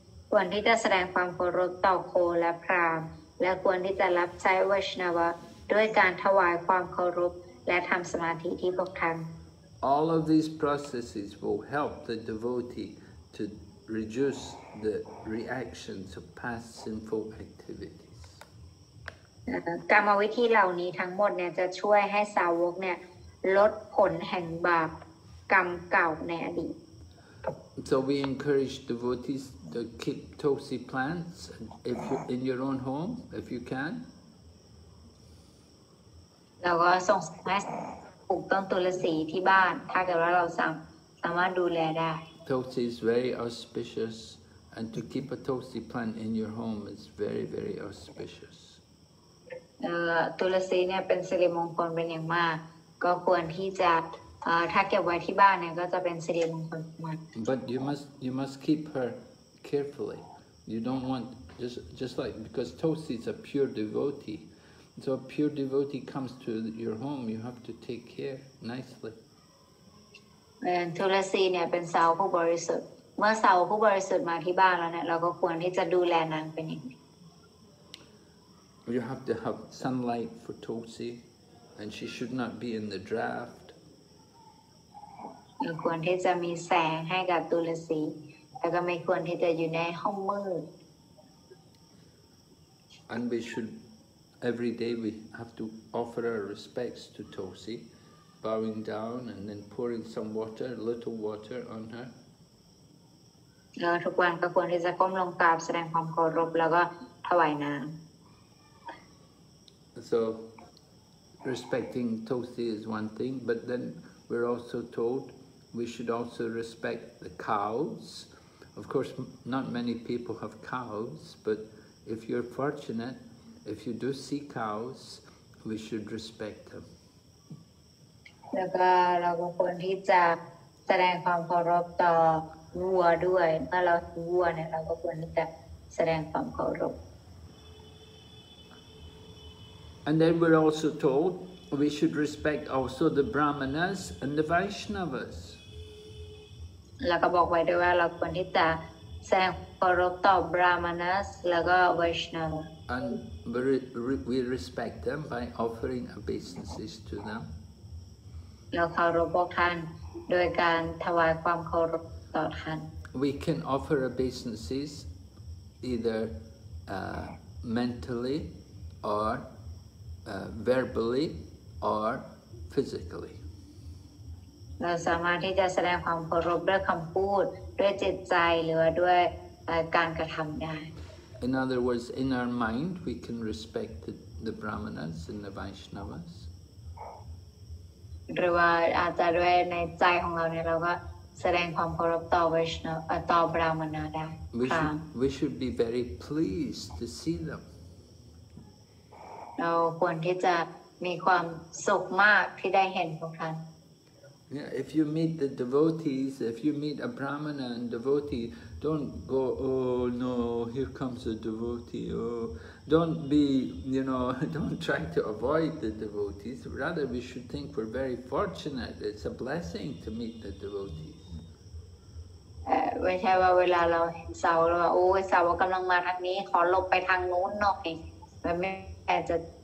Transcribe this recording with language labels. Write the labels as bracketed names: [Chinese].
[Thai] ควรที่จะแสดงความเคารพต่อโคและพรามและควรที่จะรับใช้วัชนาวะด้วยการถวายความเคารพและทำสมาธิที่พวกท่าน [English] All of these processes will help the devotee to reduce the reactions of past sinful activity. [Thai] กรรมวิธีเหล่านี้ทั้งหมดเนี่ยจะช่วยให้สาวกเนี่ยลดผลแห่งบาปกรรมเก่าในอดีต [English] So we encourage devotees to keep tulsi plants if you, in your own home if you can [Thai] เราก็ส่งให้ปลูกต้นตุลสีที่บ้านถ้าเกิดว่าเราสามารถดูแลได้ [English] Tulsi is very auspicious and to keep a tulsi plant in your home is very very auspicious [Thai] ตุลสีเนี่ยเป็นสิริมงคลเป็นอย่างมากก็ควรที่จะถ้าเก็บไว้ที่บ้านเนี่ยก็จะเป็นสิริมงคลมาก [English] But you must keep her carefully. You don't want just like because Tulsi is a pure devotee. So a pure devotee comes to your home, you have to take care nicely. [Thai] ตุลสีเนี่ยเป็นสาวผู้บริสุทธิ์เมื่อสาวผู้บริสุทธิ์มาที่บ้านแล้วเนี่ยเราก็ควรที่จะดูแลนางเป็นอย่าง [English] You have to have sunlight for Tulsi, and she should not be in the draft. [Thai] ควรที่จะมีแสงให้กับตุลสีแล้วก็ไม่ควรที่จะอยู่ในห้องมืด [English] And we should, every day we have to offer our respects to Tulsi, bowing down and then pouring some water, little water on her. [Thai] แล้วทุกวันก็ควรที่จะก้มลงกราบแสดงความเคารพแล้วก็ถวายน้ำ [English] So, respecting Tulsi is one thing, but then we're also told we should also respect the cows. Of course, not many people have cows, but if you're fortunate, if you do see cows, we should respect them. [Thai] แล้วก็เราก็ควรที่จะแสดงความเคารพต่อวัวด้วยเมื่อเราดูวัวเนี่ยเราก็ควรที่จะแสดงความเคารพ [English] And then we're also told we should respect also the brahmanas and the vaishnavas [Thai] แล้วก็บอกไว้ด้วยว่าเราควรที่จะแสดงเคารพต่อ brahmanas แล้วก็ vaishnava [English] and we respect them by offering obeisances to them [Thai] เราเคารพท่านโดยการถวายความเคารพต่อท่าน [English] We can offer obeisances either mentally or verbally or physically. [Thai] เราสามารถที่จะแสดงความเคารพด้วยคำพูดด้วยจิตใจหรือด้วยการกระทำได้ [English] In other words, in our mind, we can respect the brahmanas and the vaishnavas. [Thai] หรือว่าอาจจะด้วยในใจของเราเนี่ยเราก็แสดงความเคารพต่อ Vishnu ต่อ Brahmana ได้ [English] We should be very pleased to see them [Thai] เราควรที่จะมีความสุขมากที่ได้เห็นพวกท่าน [English] Yeah, if you meet the devotees, if you meet a Brahmana and devotee, don't go, oh no, here comes a devotee, Don't be, you know, don't try to avoid the devotees. Rather, we should think we're very fortunate. It's a blessing to meet the devotees. [Thai] ไม่ใช่ว่าเวลาเราเสาว่าโอ้ยเสาว่ากำลังมาทางนี้ขอหลบไปทางโน้นหน่อยแต่ไม่อาจจะ